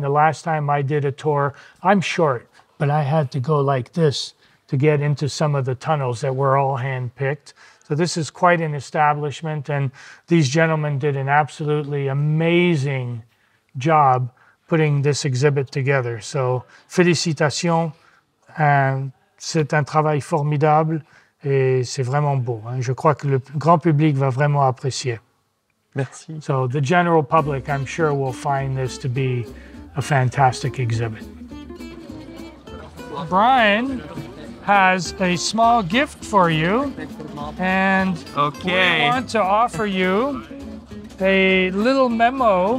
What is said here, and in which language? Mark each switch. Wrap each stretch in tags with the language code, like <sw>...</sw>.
<en>The last time I did a tour, I'm short, but I had to go like this to get into some of the tunnels that were all hand-picked. So this is quite an establishment, and these gentlemen did an absolutely amazing job putting this exhibit together.</en> <fr>So, félicitations, c'est un travail formidable, et c'est vraiment beau. Hein? Je crois que le grand public va vraiment apprécier. Merci.</fr> <en>So the general public, I'm sure, will find this to be a fantastic exhibit. Brian has a small gift for you, and okay, we want to offer you a little memo,</en>